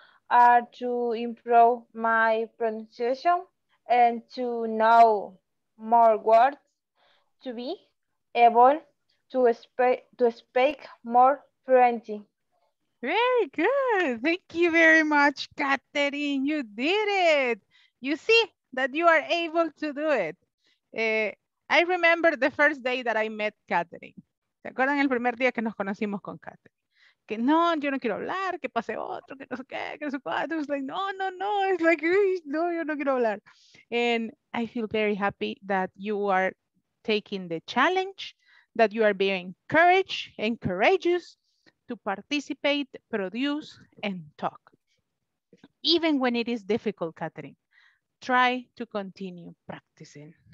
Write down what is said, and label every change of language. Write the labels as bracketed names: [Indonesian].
[English] Are to improve my pronunciation and to know more words, to be able to speak more fluently. Very good. Thank you very much, Catherine. You did it. You see that you are able to do it. I remember the first day that I met Catherine. [Spanish] ¿Se acuerdan el primer día que nos conocimos con Catherine? Que no, yo no quiero hablar, que pase otro, que no sé qué, que no sé cuánto. [English] It's like, no. It's like, no, [Spanish] yo no quiero hablar. [English] And I feel very happy that you are taking the challenge, that you are being courageous to participate, produce, and talk. Even when it is difficult, Catherine. Try to continue practicing.